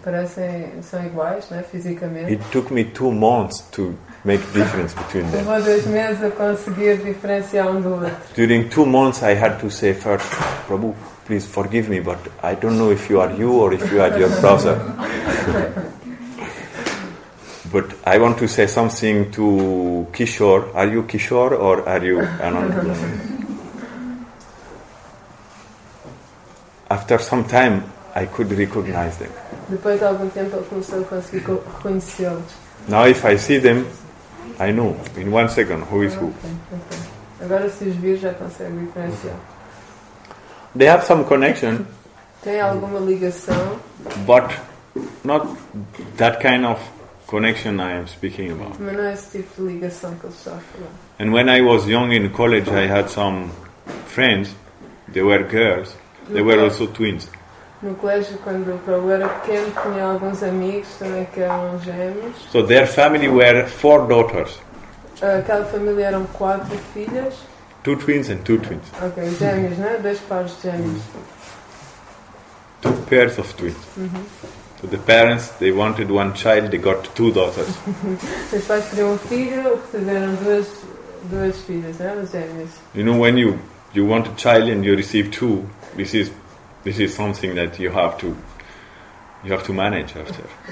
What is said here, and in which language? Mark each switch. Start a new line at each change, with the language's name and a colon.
Portuguese: Parecem, são iguais, né, fisicamente.
English: It took me 2 months to make difference between them.
Portuguese: Levou 2 meses a conseguir diferenciar do outro.
English: During 2 months I had to say first, Prabhu, please forgive me, but I don't know if you are you or if you are your brother. But I want to say something to Kishore. Are you Kishore or are you Ananda? After some time, I could recognize them.
Portuguese: Depois de algum tempo, eu comecei a conseguir reconhecê-los.
English: Now, if I see them, I know in 1 second who is who.
Portuguese: Okay. Agora, se os vir, já consigo diferenciar.
English: They have some connection.
Portuguese: Tem alguma ligação.
English: But not that kind of connection I am speaking about.
Portuguese: Mas não é esse tipo de ligação que eu estou a falar.
English: And when I was young in college, I had some friends. They were girls. They were also twins.
Portuguese: No colégio, quando eu era pequeno, tinha alguns amigos também que eram gêmeos.
English: So their family were 4 daughters.
Portuguese: Aquela família eram 4 filhas.
English: 2 twins and 2 twins.
Portuguese: Ok, gêmeos, né? 2 pares de gêmeos.
English: 2 pairs of twins. Uh-huh. So the parents, they wanted 1 child, they got 2 daughters.
Portuguese: Os pais queriam 1 filho, receberam 2 filhas, né? Os gêmeos.
English: You know, when you want a child and you receive 2, this is something that you have to manage after.